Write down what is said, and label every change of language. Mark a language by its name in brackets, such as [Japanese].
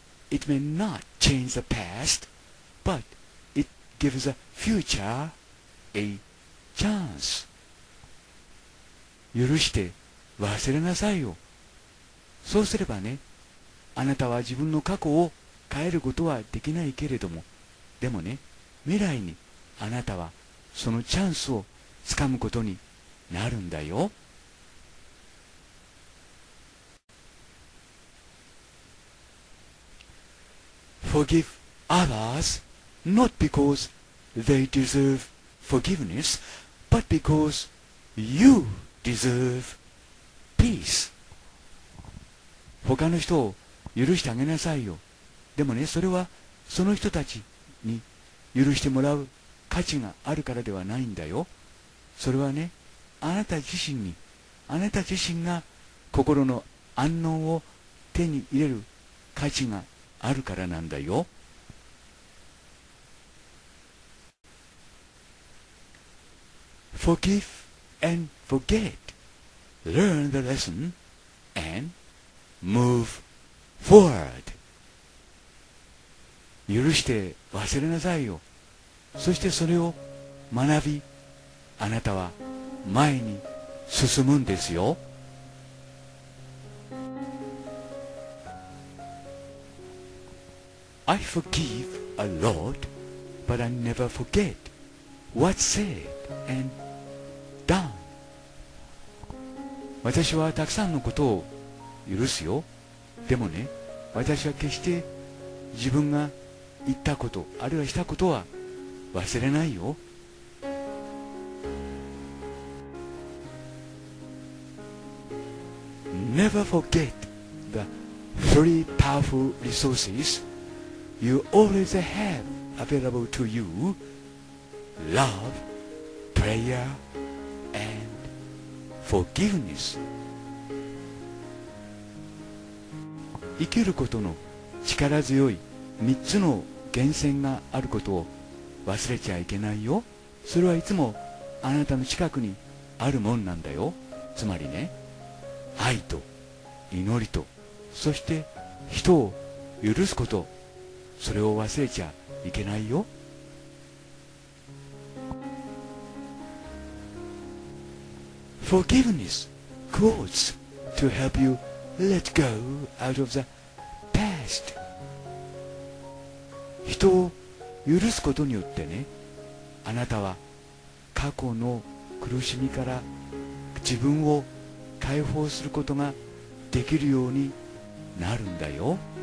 [English] It may not change the past, but it gives the future a chance. [Japanese] 許して忘れなさいよ。そうすればね、あなたは自分の過去を変えることはできないけれども、でもね、未来にあなたはそのチャンスをつかむことになるんだよ。 [English] forgive others not because they deserve forgiveness, but because you deserve peace. [Japanese] 他の人を許してあげなさいよ。でもね、それはその人たちに許してもらう価値があるからではないんだよ。それはね、あなた自身に、あなた自身が心の安穏を手に入れる価値があるからなんだよ。 [English] Forgive and forget. Learn the lesson and move forward. [Japanese] 許して忘れなさいよ。そしてそれを学び、あなたは前に進むんですよ。 [English] I forgive a lot, but I never forget what's said and done. [Japanese] 私はたくさんのことを許すよ。でもね、私は決して自分が言ったこと、あるいはしたことは忘れないよ。 [English] Never forget the three powerful resources you always have available to you: love, prayer, and forgiveness. [Japanese] 生きることの力強い三つの源泉があることを忘れちゃいけないよ。それはいつもあなたの近くにあるもんなんだよ。つまりね、愛と祈りと、そして人を許すこと、それを忘れちゃいけないよ。 [English] Forgiveness quotes to help you let go out of the past. [Japanese] 人を許すことによってね、あなたは過去の苦しみから自分を解放することができるようになるんだよ。